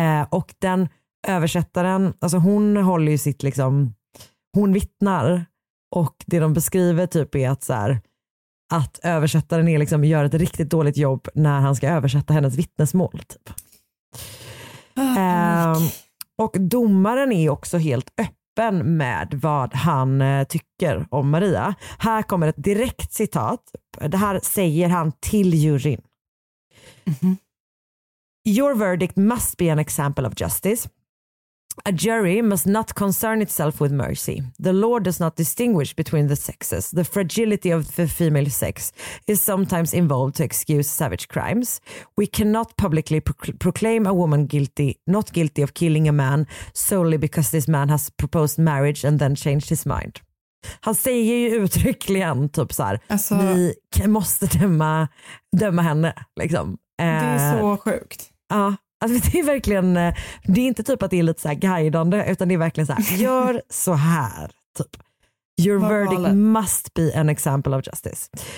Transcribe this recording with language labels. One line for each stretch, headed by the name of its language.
Swedish: Och den översättaren, alltså hon håller ju sitt liksom, hon vittnar, och det de beskriver typ är att så här, att översättaren är liksom, gör ett riktigt dåligt jobb när han ska översätta hennes vittnesmål typ. Och domaren är också helt öppen med vad han tycker om Maria. Här kommer ett direkt citat. Det här säger han till juryn. Mm-hmm.
English: Your verdict must be an example of justice. A jury must not concern itself with mercy. The law does not distinguish between the sexes. The fragility of the female sex is sometimes involved to excuse savage crimes. We cannot publicly proclaim a woman guilty, not guilty of killing a man solely because this man has proposed marriage and then changed his mind.
Swedish: Han säger ju uttryckligen typ så här, alltså, ni måste döma henne liksom. Det är så sjukt. Ja. Alltså det är verkligen, det är inte typ att det är lite så här guidande, utan det är verkligen så här, gör så här typ.
English: Your verdict must be an example of justice.